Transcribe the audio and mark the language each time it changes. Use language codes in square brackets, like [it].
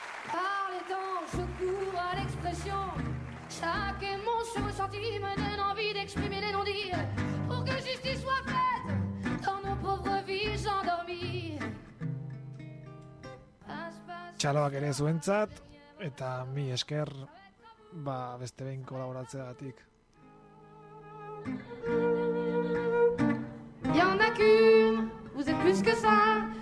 [fr] Par les temps, je cours à l'expression. Chaque émotion ressentie me donne envie d'exprimer les non-dits. Pour que justice soit faite dans nos pauvres vies endormies. [eu] Txaloak ere zuentzat, eta mi esker, ba, beste behin kolaboratzeagatik. [fr] Y'en a qu'une, vous êtes plus que ça.